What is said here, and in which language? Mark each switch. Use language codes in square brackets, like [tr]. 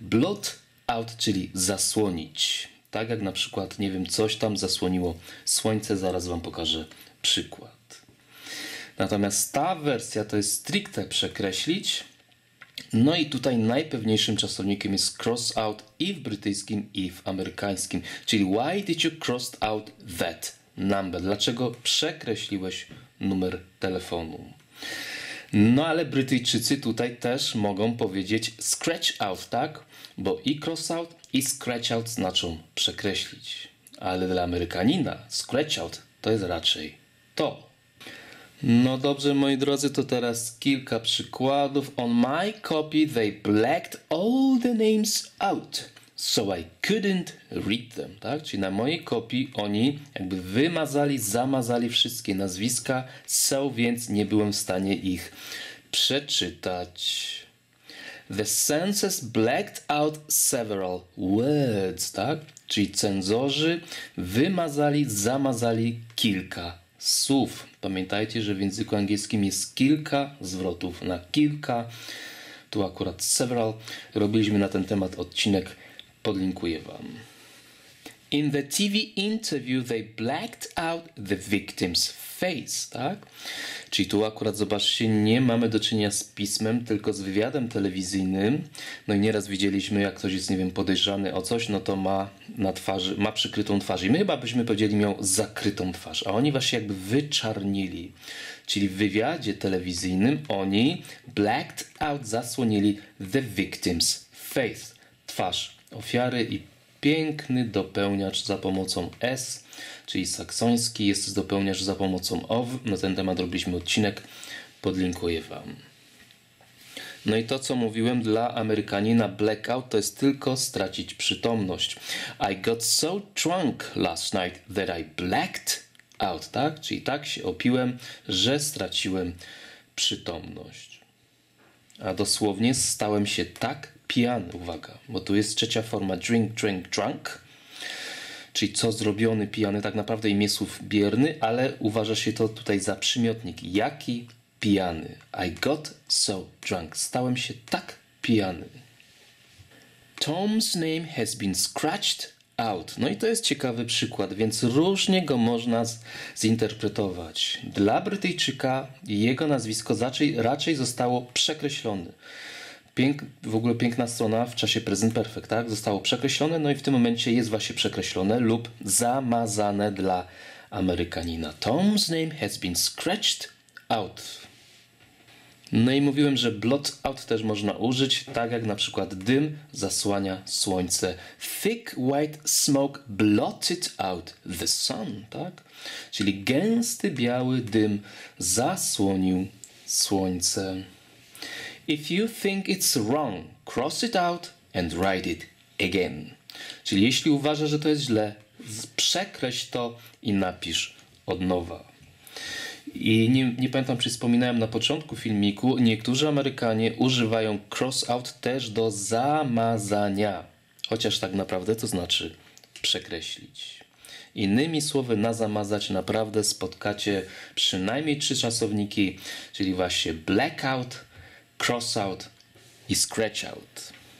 [pl] Blot out, czyli zasłonić. Tak jak na przykład, nie wiem, coś tam zasłoniło słońce, zaraz wam pokażę przykład. Natomiast ta wersja to jest stricte przekreślić. No i tutaj najpewniejszym czasownikiem jest cross out i w brytyjskim, i w amerykańskim. Czyli [en] why did you cross out that number? [pl] Dlaczego przekreśliłeś numer telefonu? No ale Brytyjczycy tutaj też mogą powiedzieć scratch out, tak? Bo i cross out, i scratch out znaczą przekreślić. Ale dla Amerykanina scratch out to jest raczej to. No dobrze, moi drodzy, to teraz kilka przykładów. [en] On my copy they blacked all the names out, so I couldn't read them. [pl] Tak? Czyli na mojej kopii oni jakby wymazali, zamazali wszystkie nazwiska, so więc nie byłem w stanie ich przeczytać. [en] The censors blacked out several words. [pl] Tak? Czyli cenzorzy wymazali, zamazali kilka słów. Pamiętajcie, że w języku angielskim jest kilka zwrotów na kilka. Tu akurat several. Robiliśmy na ten temat odcinek. Podlinkuję wam. [en] In the TV interview they blacked out the victim's face. [pl] Tak? Czyli tu akurat, zobaczcie, nie mamy do czynienia z pismem, tylko z wywiadem telewizyjnym. No i nieraz widzieliśmy, jak ktoś jest, nie wiem, podejrzany o coś, no to ma na twarzy, ma przykrytą twarz. I my chyba byśmy powiedzieli, miał zakrytą twarz. A oni właśnie jakby wyczarnili. Czyli w wywiadzie telewizyjnym oni [en] blacked out, [pl] zasłonili [en] the victim's face. [pl] Twarz ofiary i piękny dopełniacz za pomocą S, czyli saksoński, jest dopełniacz za pomocą of. Na ten temat robiliśmy odcinek, podlinkuję wam. No i to, co mówiłem, dla Amerykanina blackout to jest tylko stracić przytomność. [en] I got so drunk last night that I blacked out, [pl] tak? Czyli tak się opiłem, że straciłem przytomność. A dosłownie stałem się tak pijany, uwaga, bo tu jest trzecia forma, [en] drink, drink, drunk, [pl] czyli co zrobiony, pijany, tak naprawdę imię słów bierny, ale uważa się to tutaj za przymiotnik, jaki pijany. [en] I got so drunk, [pl] stałem się tak pijany. [en] Tom's name has been scratched out. [pl] No i to jest ciekawy przykład, więc różnie go można zinterpretować. Dla Brytyjczyka jego nazwisko raczej zostało przekreślone. W ogóle piękna strona w czasie present perfect, tak? Zostało przekreślone, no i w tym momencie jest właśnie przekreślone lub zamazane dla Amerykanina. [en] Tom's name has been scratched out. [pl] No i mówiłem, że blot out też można użyć, tak jak na przykład dym zasłania słońce. [en] Thick white smoke blotted out the sun, [pl] tak? Czyli gęsty biały dym zasłonił słońce. [en] If you think it's wrong, cross it out and write it again. [pl] Czyli jeśli uważasz, że to jest źle, przekreś to i napisz od nowa. I nie pamiętam, czy wspominałem na początku filmiku, niektórzy Amerykanie używają cross out też do zamazania. Chociaż tak naprawdę to znaczy przekreślić. Innymi słowy, na zamazać naprawdę spotkacie przynajmniej trzy czasowniki, czyli właśnie blackout, cross out i scratch out.